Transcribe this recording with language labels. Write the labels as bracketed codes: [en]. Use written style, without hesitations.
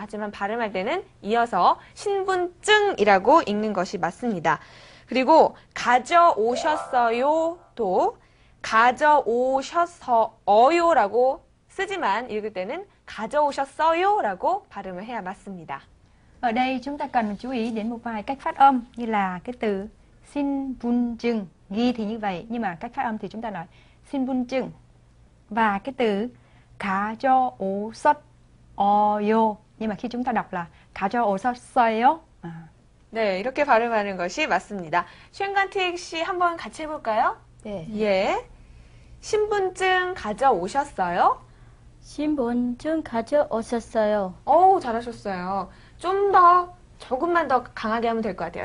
[ko] 하지만 발음할 때는 이어서 신분증이라고 읽는 것이 맞습니다. 그리고 가져오셨어요도 가져오셨어요라고 쓰지만 읽을 때는 가져오셨어요라고 발음을 해야 맞습니다. [vi] Ở đây chúng ta cần chú ý đến một vài cách phát âm như là cái từ 신분증 ghi thì như vậy nhưng mà cách phát âm thì chúng ta nói 신분증 và cái từ 가져오셨어요 nhưng mà khi chúng ta đọc là 가져오셨어요 [ko] 네, 이렇게 발음하는 것이 맞습니다. 쉔간티엑 씨 한번 같이 해볼까요? 네. 예. 신분증 가져오셨어요? 신분증 가져오셨어요. 어우, 잘하셨어요. 좀 더, 조금만 더 강하게 하면 될 것 같아요.